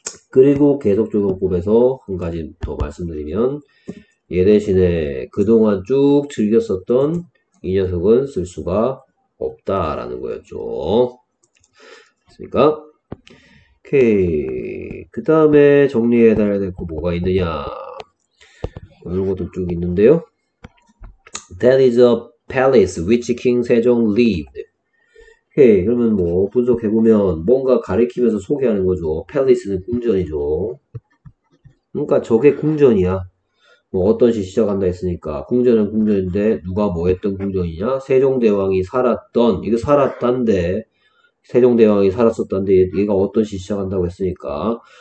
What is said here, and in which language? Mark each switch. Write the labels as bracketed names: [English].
[Korean] 그리고 계속적용법에서 한 가지 더 말씀드리면 얘 대신에 그동안 쭉 즐겼었던 이 녀석은 쓸 수가 없다라는 거였죠. 그러니까 오케이. 그 다음에 정리해 달아야 될거 뭐가 있느냐? 이런 것도 쭉 있는데요. [English] That is a palace which King Sejong lived. [Korean] 오케이, 그러면 뭐 분석해 보면 뭔가 가리키면서 소개하는 거죠. Palace는 궁전이죠. 그러니까 저게 궁전이야. 뭐 어떤 시 시작한다 했으니까 궁전은 궁전인데 누가 뭐 했던 궁전이냐? 세종대왕이 살았던 이거 살았단데 세종대왕이 살았었단데 얘가 어떤 시 시작한다고 했으니까.